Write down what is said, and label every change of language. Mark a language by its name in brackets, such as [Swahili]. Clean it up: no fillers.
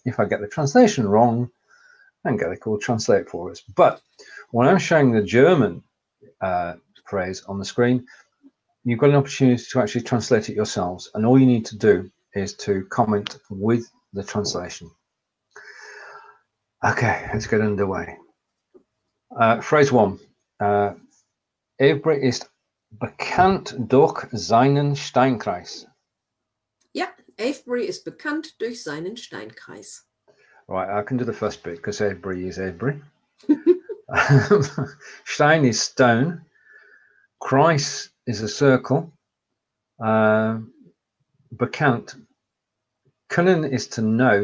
[English] If I get the translation wrong, Angelica will translate for us. But when I'm showing the German phrase on the screen, you've got an opportunity to actually translate it yourselves, and all you need to do is to comment with the translation. Okay, let's get underway. Phrase one, [German] Avebury ist bekannt durch seinen Steinkreis. Yeah, Avebury ist bekannt durch seinen Steinkreis. [English] Right, I can do the first bit because Avebury is Avebury. Stein is stone. Kreis is a circle. Bekannt. Können is to know.